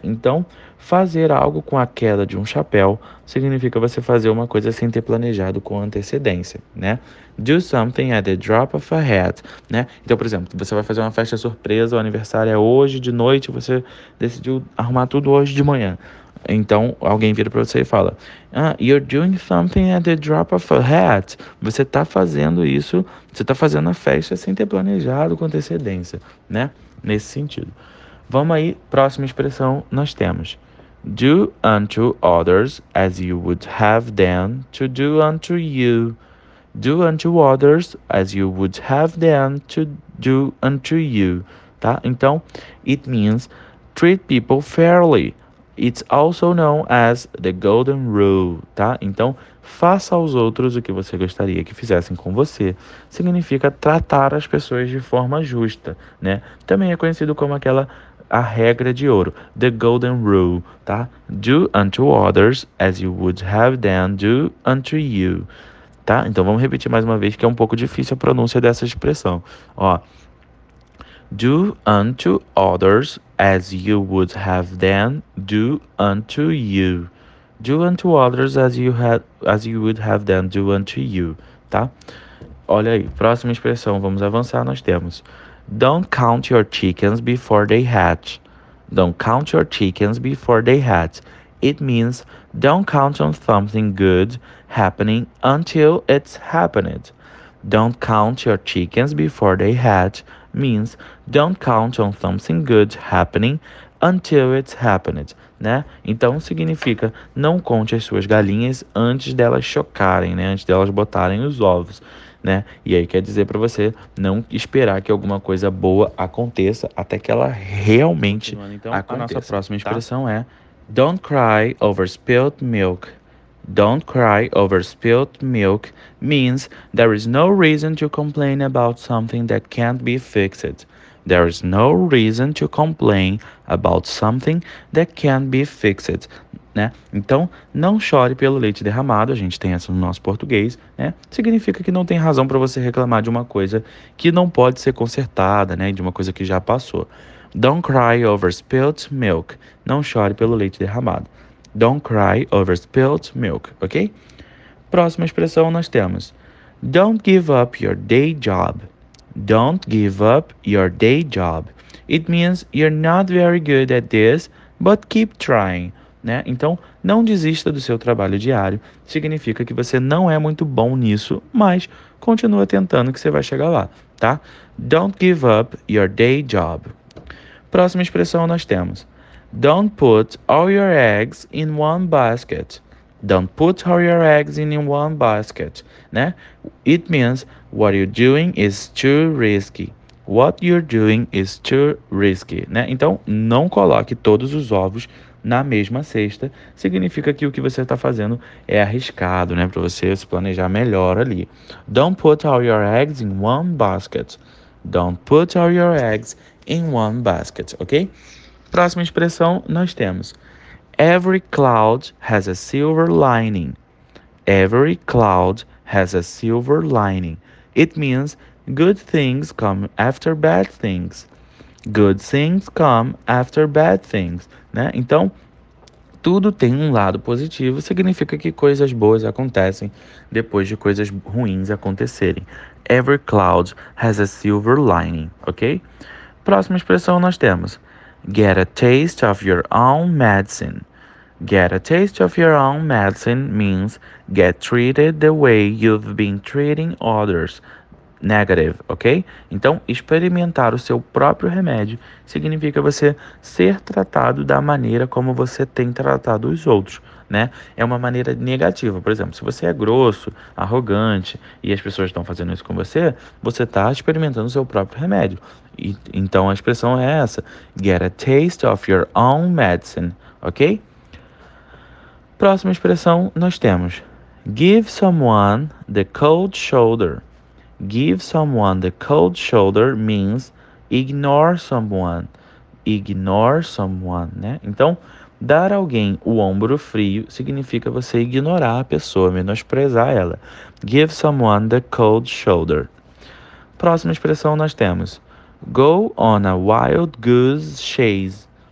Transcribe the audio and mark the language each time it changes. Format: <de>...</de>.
<pt>Então, fazer algo com a queda de um chapéu significa você fazer uma coisa sem ter planejado com antecedência, né?</pt> <en>Do something at the drop of a hat, né?</en> <pt>Então, por exemplo, você vai fazer uma festa surpresa, o aniversário é hoje de noite, você decidiu arrumar tudo hoje de manhã. Então, alguém vira para você e fala: ah,</pt> <en>you're doing something at the drop of a hat.</en> <pt>Você tá fazendo isso, você tá fazendo a festa sem ter planejado com antecedência, né? Nesse sentido. Vamos aí, próxima expressão nós temos:</pt> <en>do unto others as you would have them to do unto you. Do unto others as you would have them to do unto you. Tá? Então, it means treat people fairly. It's also known as the golden rule, tá?</en> <pt>Então, faça aos outros o que você gostaria que fizessem com você. Significa tratar as pessoas de forma justa, né? Também é conhecido como aquela a regra de ouro,</pt> <en>the golden rule,</en> <pt>tá?</pt> <en>Do unto others as you would have them do unto you, tá?</en> <pt>Então, vamos repetir mais uma vez que é um pouco difícil a pronúncia dessa expressão, ó.</pt> <en>Do unto others as you would have them do unto you. Do unto others as you would have them do unto you, tá?</en> <pt>Olha aí, próxima expressão, vamos avançar, nós temos:</pt> <en>don't count your chickens before they hatch. Don't count your chickens before they hatch. It means don't count on something good happening until it's happened. Don't count your chickens before they hatch means don't count on something good happening until it's happened, né?</en> <pt>Então significa não conte as suas galinhas antes delas chocarem, né? Antes delas botarem os ovos, né? E aí quer dizer para você não esperar que alguma coisa boa aconteça até que ela realmente Continuando então, a nossa aconteça, próxima expressão é</pt> <en>don't cry over spilt milk. Don't cry over spilt milk means there is no reason to complain about something that can't be fixed. There is no reason to complain about something that can't be fixed, né?</en> <pt>Então, não chore pelo leite derramado, a gente tem essa no nosso português, né? Significa que não tem razão para você reclamar de uma coisa que não pode ser consertada, né? De uma coisa que já passou.</pt> <en>Don't cry over spilt milk.</en> <pt>Não chore pelo leite derramado.</pt> <en>Don't cry over spilt milk,</en> <pt>ok? Próxima expressão nós temos:</pt> <en>don't give up your day job. Don't give up your day job. It means you're not very good at this, but keep trying.</en> <pt>Né? Então, não desista do seu trabalho diário. Significa que você não é muito bom nisso, mas continua tentando que você vai chegar lá, tá?</pt> <en>Don't give up your day job.</en> <pt>Próxima expressão nós temos:</pt> <en>Don't put all your eggs in one basket. Don't put all your eggs in one basket. Né? It means what you're doing is too risky. What you're doing is too risky. Né?</en> <pt>Então, não coloque todos os ovos na mesma cesta. Significa que o que você está fazendo é arriscado, né? Para você se planejar melhor ali.</pt> <en>Don't put all your eggs in one basket. Don't put all your eggs in one basket, ok?</en> <pt>Próxima expressão nós temos:</pt> <en>Every cloud has a silver lining. Every cloud has a silver lining. It means good things come after bad things. Good things come after bad things. Né?</en> <pt>Então, tudo tem um lado positivo, significa que coisas boas acontecem depois de coisas ruins acontecerem.</pt> <en>Every cloud has a silver lining, ok?</en> <pt>Próxima expressão nós temos:</pt> <en>Get a taste of your own medicine. Get a taste of your own medicine means get treated the way you've been treating others. Negative, ok?</en> <pt>Então, experimentar o seu próprio remédio significa você ser tratado da maneira como você tem tratado os outros, né? É uma maneira negativa. Por exemplo, se você é grosso, arrogante e as pessoas estão fazendo isso com você, você está experimentando o seu próprio remédio. Então, a expressão é essa:</pt> <en>Get a taste of your own medicine, ok?</en> <pt>Próxima expressão nós temos:</pt> <en>Give someone the cold shoulder. Give someone the cold shoulder means ignore someone. Ignore someone, né?</en> <pt>Então, dar alguém o ombro frio significa você ignorar a pessoa, menosprezar ela.</pt> <en>Give someone the cold shoulder.</en> <pt>Próxima expressão nós temos:</pt> <en>Go on a wild goose chase.</en>